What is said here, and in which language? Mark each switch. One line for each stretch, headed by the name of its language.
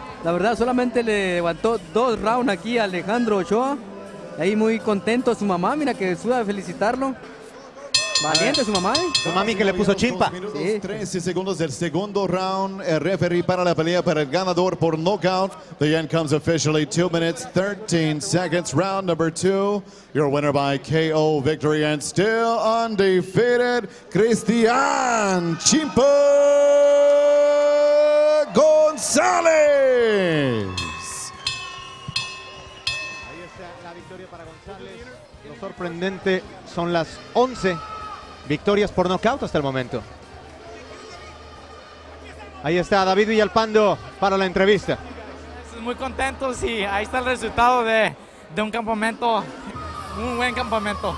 Spanish: La verdad, solamente le levantó dos rounds aquí a Alejandro Ochoa. Ahí muy contento su mamá, mira que suda de felicitarlo. Valiente su mamá, ¿eh? Su mami que le puso chimpa. 13 segundos del segundo round. El referee para la pelea para el ganador por knockout.
English: The end comes officially 2 minutes 13 seconds. Round number 2. Your winner by KO victory and still undefeated, Cristian Chimpa González.
Spanish: Ahí está la victoria para González. Lo sorprendente son las 11 victorias por nocaut hasta el momento. Ahí está David Villalpando para la entrevista. Muy contentos y ahí está el resultado de un campamento, un buen campamento.